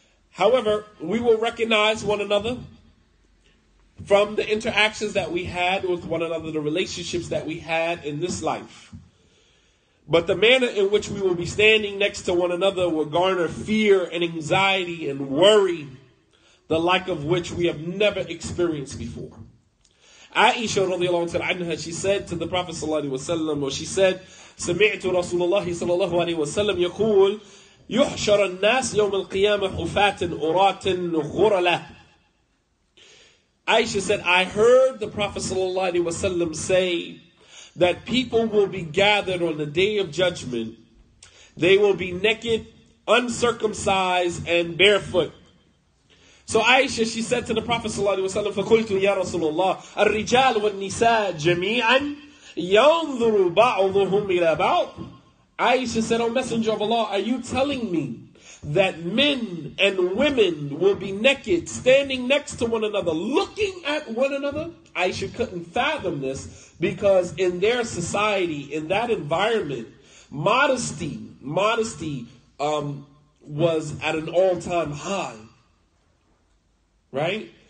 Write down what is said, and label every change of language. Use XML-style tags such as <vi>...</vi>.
<en>However, we will recognize one another from the interactions that we had with one another, the relationships that we had in this life. But the manner in which we will be standing next to one another will garner fear and anxiety and worry, the like of which we have never experienced before. Aisha radiallahu anha, she said to the Prophet sallallahu alaihi wasallam, or she said,</en> <ar>سمعت رسول الله صلى الله عليه وسلم يقول يُحْشَرَ النَّاسِ يَوْمَ الْقِيَامَةِ حُفَاتٍ أُرَاتٍ غُرَلَةٍ.</ar> <en>Aisha said, I heard the Prophet sallallahu alaihi wasallam say that people will be gathered on the day of judgment. They will be naked, uncircumcised, and barefoot. So Aisha, she said to the Prophet sallallahu alaihi wasallam,</en> <ar>فَقُلْتُ يَا رَسُولَ اللَّهِ الرِّجَالُ وَالنِّسَاءُ جَمِيعًا يَنْظُرُ بَعْضُهُمْ إِلَى بَعْضٍ.</ar> <en>Aisha said, O Messenger of Allah, are you telling me that men and women will be naked, standing next to one another, looking at one another? Aisha couldn't fathom this because in their society, in that environment, modesty, was at an all-time high. Right?</en>